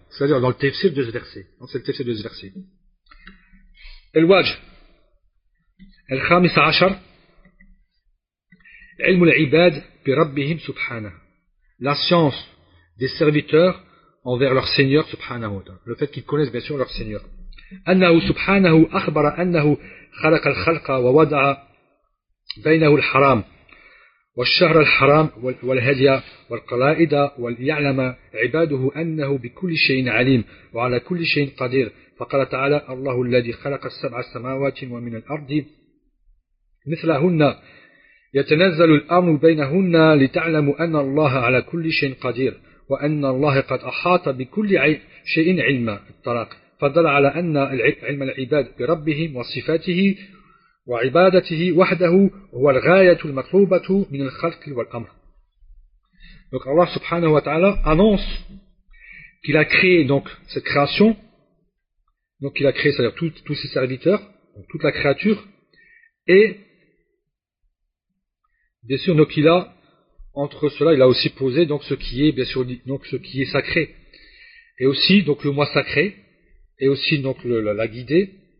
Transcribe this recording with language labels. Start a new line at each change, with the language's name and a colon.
French: C'est-à-dire dans le tafsir de ce verset. Donc c'est le tafsir de ce verset.
Arabic: El-Waj, El-Khamis Achar, Ilmul Ibad, bi Rabbihim Subhanah.
French: La science des serviteurs envers leur Seigneur Subhanahu wa ta'ala. Le fait qu'ils connaissent bien sûr leur Seigneur.
Arabic: Annahu Subhanahu akhbara annahu khalaqa al-khalqa wa wada'a. بينه الحرام والشهر الحرام والهدية والقلائد وليعلم عباده أنه بكل شيء عليم وعلى كل شيء قدير فقال تعالى الله الذي خلق السبع سماوات ومن الأرض مثلهن يتنزل الأمر بينهن لتعلم أن الله على كل شيء قدير وأن الله قد أحاط بكل شيء علما الطلاق فدل على أن علم العباد بربهم وصفاته وعبادته وحده هو الغاية المطلوبة من الخلق والأمر.
French: Donc Allah subhanahu wa ta'ala annonce qu'il a créé donc cette création, donc il a créé c'est-à-dire tous ses serviteurs, donc toute la créature, et bien sûr donc il a entre cela il a aussi posé donc ce qui est bien sûr donc ce qui est sacré, et aussi donc le mois sacré, et aussi donc la guidée.